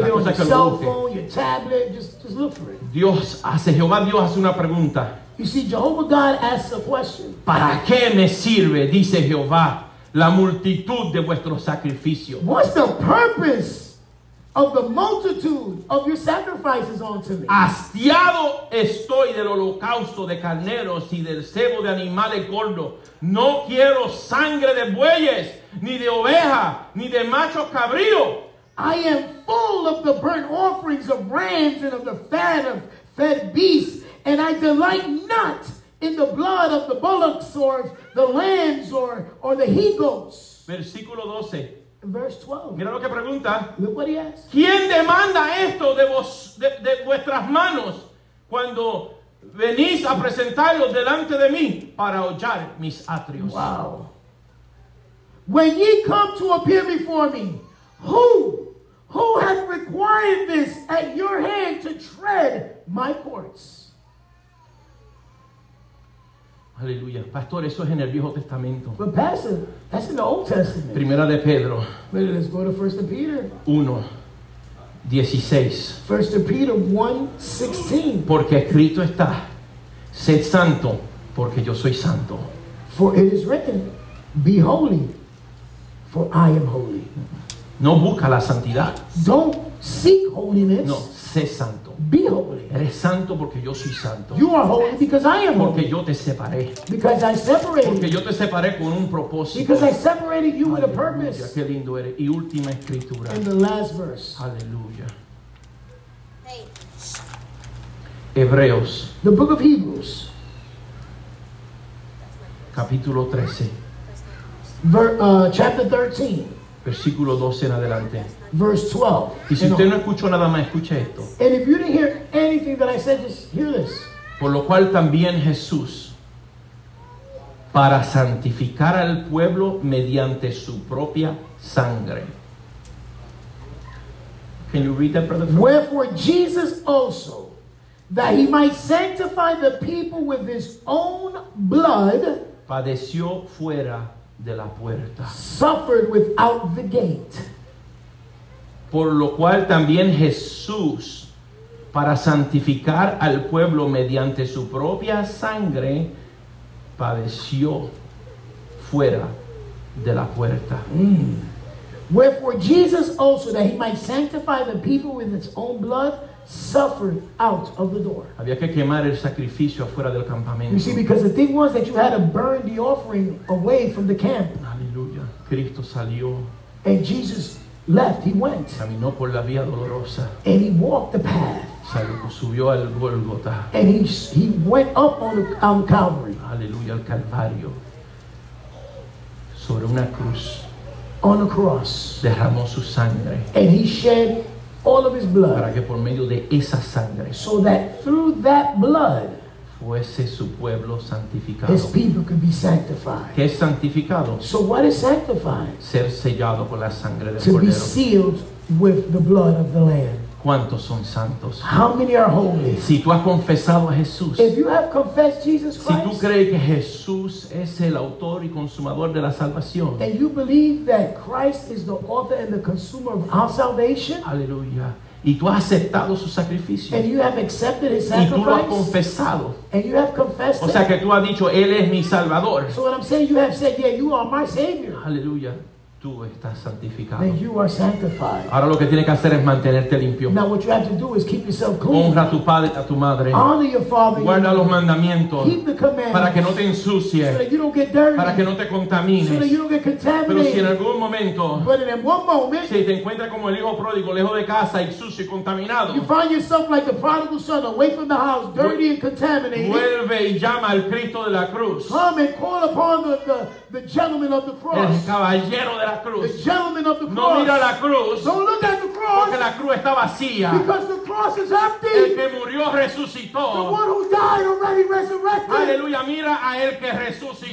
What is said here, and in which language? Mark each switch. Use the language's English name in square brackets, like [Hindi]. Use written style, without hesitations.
[English] Look on your cell phone, your tablet, just look for it. [Spanish] Dios hace, Jehová Dios hace una pregunta. [English] You see, Jehovah God asks a question. [Spanish] ¿Para qué me sirve, dice Jehová, la multitud de vuestros sacrificios? [English] What's the purpose of the multitude of your sacrifices unto me? [Spanish] Hastiado estoy del holocausto de carneros y del sebo de animales gordos. No quiero sangre de bueyes, ni de oveja, ni de macho cabrío. [English] I am full of the burnt offerings of rams and of the fat of fed beasts, and I delight not in the blood of the bullocks or the lambs or the he goats. [Spanish] Versículo 12. [English] Verse 12. [Spanish] Mira lo que pregunta. [English] Look what he asks. [Spanish] ¿Quién demanda esto de vos, de vuestras manos cuando venís a presentaros delante de mí para hollar mis atrios? [English] Wow. When ye come to appear before me, who hath required this at your hand to tread my courts? [Spanish] Aleluya, pastor, eso es en el Viejo Testamento. [English] But pastor, that's in the Old Testament. [Spanish] Primera de Pedro. [English] But let's go to 1 Peter. [Spanish] 1:16. [English] 1 Peter 1:16. [Spanish] Porque escrito está, sed santo, porque yo soy santo. [English] For it is written, be holy, for I am holy. [Spanish] No busca la santidad. [English] Don't seek holiness. [Spanish] No, sé santo. [English] Be holy. [Spanish] Eres santo porque yo soy santo. [English] You are holy because I am holy. [Spanish] Porque yo te separé. [English] Because I separated you. [Spanish] Porque yo te separé con un propósito. [English] Because I separated you with a purpose. [Spanish] Aleluya, qué lindo eres. Y última escritura. [English] And the last verse. [Spanish] Aleluya. Hebreos. [English] The book of Hebrews. [Spanish] Capítulo 13. [English] Chapter 13. [Spanish] Versículo 12 en adelante. [English] Verse 12. [Spanish] Y si usted no escuchó nada más, escuche esto. [English] And if you didn't hear anything that I said, just hear this. [Spanish] Por lo cual también Jesús, para santificar al pueblo mediante su propia sangre. [English] Can you read that, brother? Wherefore Jesus also, that he might sanctify the people with his own blood, [Spanish] padeció fuera de la puerta. [English] Suffered without the gate. [Spanish] Por lo cual también Jesús, para santificar al pueblo mediante su propia sangre, padeció fuera de la puerta. [English] Wherefore Jesus also, that he might sanctify the people with his own blood, suffered out of the door. [Spanish] Había que quemar el sacrificio afuera del campamento. [English] You see, because the thing was that you had to burn the offering away from the camp. [Spanish] Aleluya. Cristo salió. [English] And Jesus left. He went. [Spanish] Caminó por la vía dolorosa. [English] And he walked the path. [Spanish] Salió, subió al Golgota. [English] And he went up on Calvary. [Spanish] Aleluya, al Calvario. Sobre una cruz. [English] On a cross. [Spanish] Derramó su sangre. [English] And he shed all of his blood. [Spanish] Para que por medio de esa sangre, [English] so that through that blood, [Spanish] fuese su pueblo santificado. [English] His people could be sanctified. [Spanish] ¿Qué es santificado? [English] So what is sanctified? [Spanish] Ser sellado con la sangre del [English] to [Spanish] Cordero. [English] Be sealed with the blood of the Lamb. [Spanish] ¿Cuántos son santos? [English] How many are holy? [Spanish] Si tú has confesado a Jesús. [English] If you have confessed Jesus Christ. [Spanish] Si tú crees que Jesús es el autor y consumador de la salvación. [English] And you believe that Christ is the author and the consumer of our salvation. [Spanish] Aleluya. Y tú has aceptado su sacrificio. [English] And you have accepted his sacrifice. [Spanish] Y tú lo has confesado. [English] And you have confessed. [Spanish] O sea que tú has dicho, él es mi salvador. [English] So what I'm saying, you have said, yeah, you are my savior. [Spanish] Aleluya. Tú estás santificado. [English] Then you are sanctified. [Spanish] Ahora lo que tienes que hacer es mantenerte limpio. [English] Now what you have to do is keep yourself clean. [Spanish] Honra a tu padre y a tu madre. [English] Honor your father. [Spanish] Guarda los mandamientos. [English] Keep the commandments. [Spanish] Para que no te ensucies. [English] So that you don't get dirty. [Spanish] Para que no te contamines. [English] So that you don't get contaminated. [Spanish] Pero si en algún momento, [English] but in one moment, [Spanish] si te encuentras como el hijo pródigo, lejos de casa y sucio y contaminado, [English] you find yourself like the prodigal son, away from the house, dirty and contaminated. [Spanish] Vuelve y llama al Cristo de la cruz. [English] Come and call upon the gentleman of the cross. [Spanish] El caballero de la cruz. [English] The gentleman of the cross. [Spanish] No mira la cruz. [English] Don't look at the cross. [Spanish] Porque la cruz está vacía. [English] Because the cross is empty. [Spanish] El que murió resucitó. [English] The one who died already resurrected. [Spanish] Aleluya, mira a el que resucitó.